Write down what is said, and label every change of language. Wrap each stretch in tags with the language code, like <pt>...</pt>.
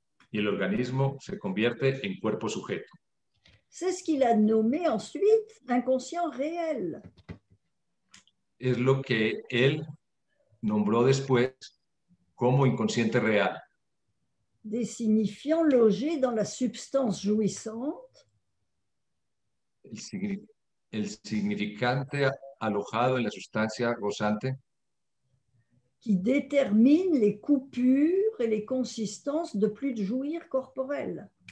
<es>Y el organismo se convierte en cuerpo-sujeto.</es> <fr>C'est ce qu'il a nommé ensuite inconscient réel.</fr> <es>Es lo que él nombró después como inconsciente real.</es> <fr>Des signifiants logés dans la substance jouissante.</fr> <es>El significante alojado en la sustancia gozante.</es> <fr>Qui détermine les coupures et les consistances de plus de jouir corporel.</fr>